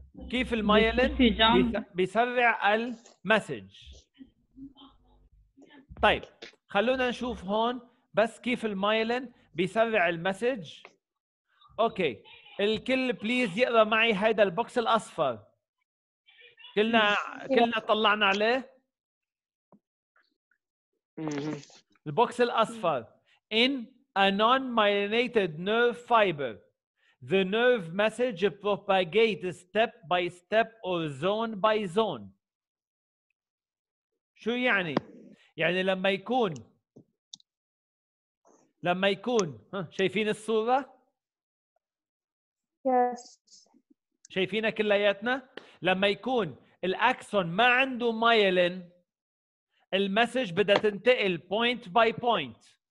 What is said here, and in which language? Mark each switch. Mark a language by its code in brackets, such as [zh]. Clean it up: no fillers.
[ar] كيف المايلين بيسرع المسج؟ طيب خلونا نشوف هون بس كيف المايلين بيسرع المسج. اوكي الكل بليز يقرا معي هيدا البوكس الاصفر، كلنا طلعنا عليه. [en] البوكس الاصفر in a non-myelinated nerve fiber the nerve message propagates step by step or zone by zone. [ar] شو يعني؟ يعني لما يكون شايفين الصورة؟ [en] yes. [ar] شايفين كلياتنا؟ لما يكون الأكسون ما عنده مايلين المسج بدها تنتقل point by point.